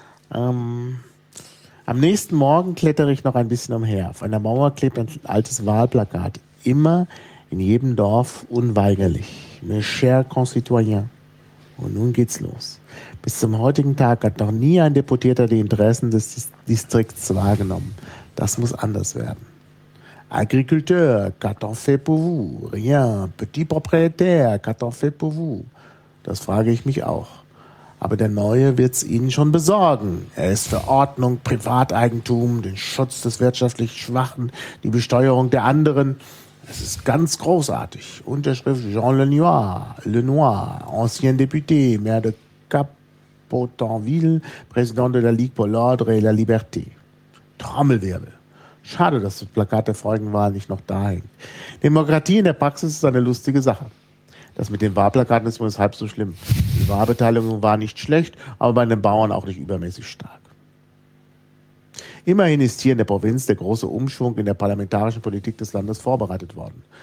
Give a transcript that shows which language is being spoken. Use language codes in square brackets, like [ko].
[de] Am nächsten Morgen klettere ich noch ein bisschen umher. Auf einer Mauer klebt ein altes Wahlplakat. Immer in jedem Dorf unweigerlich. [fr] Mes chers concitoyens. [de] Und nun geht's los. Bis zum heutigen Tag hat noch nie ein Deputierter die Interessen des Distrikts wahrgenommen. Das muss anders werden. [fr] Agriculteur, qu'a-t-on fait pour vous? Rien. Petit propriétaire, qu'a-t-on fait pour vous? [de] Das frage ich mich auch. Aber der Neue wird es Ihnen schon besorgen. Er ist für Ordnung, Privateigentum, den Schutz des wirtschaftlich Schwachen, die Besteuerung der anderen. Es ist ganz großartig. [fr] Unterschrift Jean Lenoir, ancien député, maire de Capotanville, président de la Ligue pour l'Ordre et la Liberté. [de] Trommelwirbel. Schade, dass das Plakat der Folgenwahl nicht noch da hängt. Demokratie in der Praxis ist eine lustige Sache. Das mit den Wahlplakaten ist übrigens halb so schlimm. Die Wahlbeteiligung war nicht schlecht, aber bei den Bauern auch nicht übermäßig stark. Immerhin ist hier in der Provinz der große Umschwung in der parlamentarischen Politik des Landes vorbereitet worden.